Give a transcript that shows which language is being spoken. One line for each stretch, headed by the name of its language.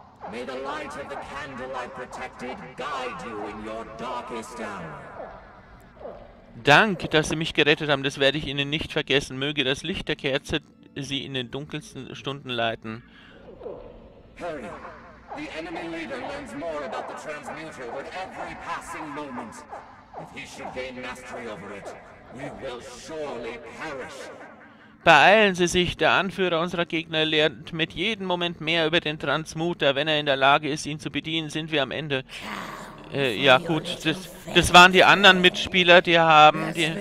English: May the light of the candle I protected guide you in your darkest hour.
German: Dank, dass Sie mich gerettet haben, das werde ich Ihnen nicht vergessen. Möge das Licht der Kerze Sie in den dunkelsten Stunden leiten.
English: Hurry. The enemy leader learns more about the transmuter with every passing moment. If he should gain mastery over it, we will surely perish.
German: Beeilen Sie sich, der Anführer unserer Gegner lernt mit jedem Moment mehr über den Transmuter. Wenn er in der Lage ist, ihn zu bedienen, sind wir am Ende. Ja gut, das waren die anderen Mitspieler, die haben...